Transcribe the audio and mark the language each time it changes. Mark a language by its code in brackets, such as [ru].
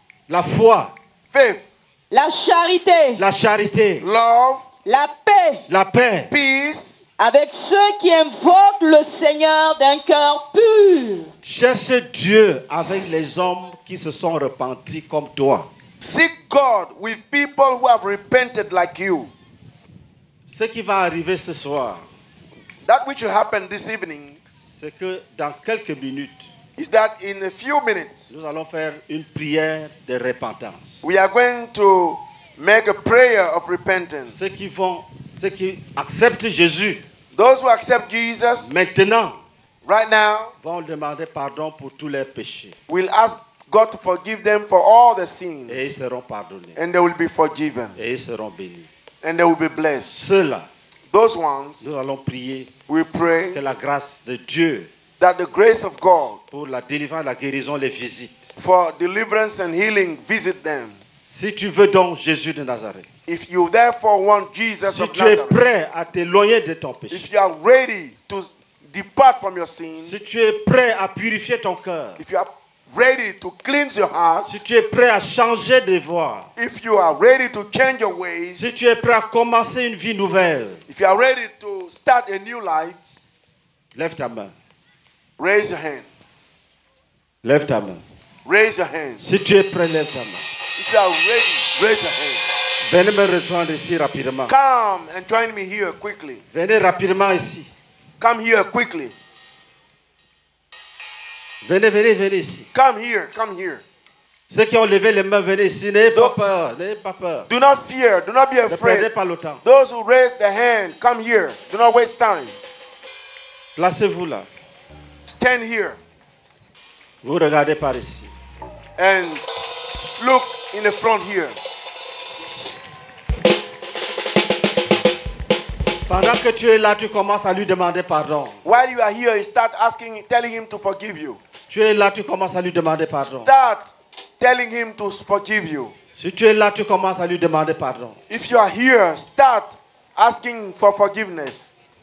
[fr] La foi. [en] Faith. [fr] La charité. La charité. [en] Love. [fr] La paix. La paix. [en] Peace. [fr] Avec ceux qui invoquent le Seigneur d'un cœur pur. Cherche Dieu avec les hommes qui se sont repentis comme toi. [en] Seek God with people who have repented like you. [fr] Ce qui va arriver ce soir, [en] that which will happen this evening, [fr] c'est que dans quelques minutes, [en] is that in a few minutes, [fr] nous allons faire une prière de repentance. [en] We are going to make a prayer of repentance. [fr] Ceux qui acceptent Jésus, [en] those who accept Jesus, [fr] maintenant, [en] right now, [fr] vont demander pardon pour tous leurs péchés. [en] Will ask God to forgive them for all their sins. [fr] Et ils seront pardonnés. [en] And they will be forgiven. [fr] Et ils seront bénis. [en] And they will be blessed. [fr] Ceux-là, [en] those ones, [fr] nous allons prier, [en] we pray, [fr] que la grâce de Dieu, [en] that the grace of God, [fr] pour la délivrance, la guérison, les visite, [en] for deliverance and healing, visit them. [fr] Si tu veux donc Jésus de Nazareth, [en] if you therefore want Jesus [fr] si [en] of Nazareth, [fr] si tu es prêt à t'éloigner de ton péché, [en] if you are ready to depart from your sin, [fr] si tu es prêt à purifier ton cœur, [en] if you are ready to cleanse your heart, [fr] si tu es prêt à changer de voie, [en] if you are ready to change your ways, [fr] si tu es prêt à commencer une vie nouvelle, [en] if you are ready to start a new life, [fr] lève ta main. [en] Raise your hand. [fr] Lève ta main. [en] raise your hands. [fr] Si tu es prêt, lève ta main. [en] If you are ready, raise your hands. [fr] Venez me rejoindre ici rapidement. [en] Come and join me here quickly. [fr] Venez rapidement ici. [en] Come here quickly. [fr] Venez, venez, venez ici. [en] Come here, come here. [fr] Ceux qui ont levé les mains, venez ici. N'ayez pas peur, n'ayez pas peur. [en] Do not fear, do not be afraid. [fr] Ne perdez pas le temps. [en] Those who raise their hand, come here. Do not waste time. [fr] Placez-vous là. [en] Stand here. [fr] Vous regardez par ici. [en] And look in the front here. [fr] Pendant que tu es là, tu commences à lui demander pardon. [en] While you are here, you start asking, telling him to forgive you. [fr] Tu es là, tu commences à lui demander pardon. [en] Start telling him to forgive you. [fr] Si tu es là, tu commences à lui demander pardon. [en] If you are here, start asking for forgiveness.